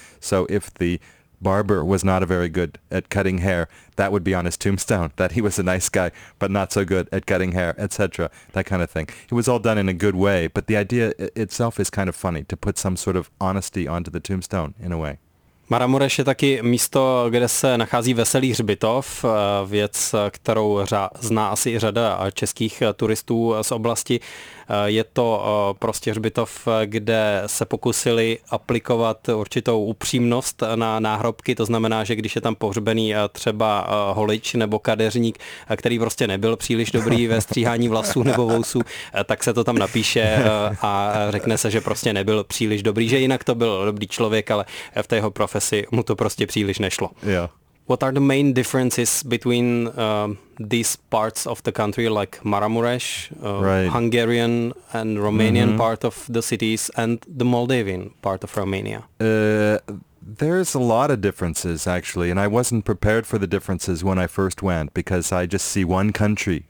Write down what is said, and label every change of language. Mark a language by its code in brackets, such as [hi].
[en] So if the barber was not a very good at cutting hair, that would be on his tombstone, that he was a nice guy, but not so good at cutting hair, etc., that kind of thing. It was all done in a good way, but the idea itself is kind of funny, to put some sort of honesty onto the tombstone, in a way. [cs] Maramureș je taky místo, kde se nachází veselý hřbitov, věc, kterou zná asi řada českých turistů z oblasti. Je to prostě hřbitov, kde se pokusili aplikovat určitou upřímnost na náhrobky, to znamená, že když je tam pohřbený třeba holič nebo kadeřník, který prostě nebyl příliš dobrý ve stříhání vlasů nebo vousů, tak se to tam napíše a řekne se, že prostě nebyl příliš dobrý, že jinak to byl dobrý člověk, ale v té jeho profesi mu to prostě příliš nešlo. [en] Yeah. What are the main differences between these parts of the country, like Maramureș, right, Hungarian and Romanian mm-hmm. part of the cities, and the Moldavian part of Romania? There's a lot of differences, actually, and I wasn't prepared for the differences when I first went, because I just see one country.